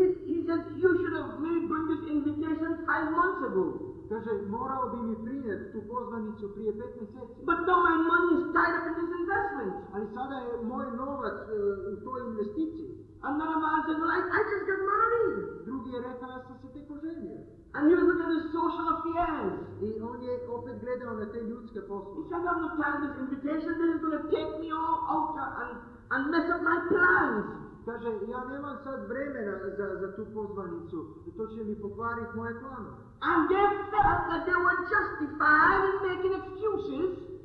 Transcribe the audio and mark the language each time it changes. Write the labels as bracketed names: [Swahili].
[English] He says, you should have made bring this invitation 5 months ago. [Croatian] Kaže, morao bi mi prinijeti tu pozvanicu prije 5 mjeseci. [English] But now my money is tied up in this investment. [Croatian] Ali sada je moj novac u toj investiciji. [English] Another man said, well, I just got married. [Croatian] Drugi je rekao, ja sam se tek oženio. [English] And he was looking at his social affairs. [Croatian] I on je opet gledao na te ljudske poslove. [English] He said, I'm not telling this invitation, this is going to take me all out and mess up my plans. [Croatian] Kaže, ja nemam sad vremena za tu pozvanicu, to će mi pokvariti moje plane. [English] And they felt that they were justified in making excuses.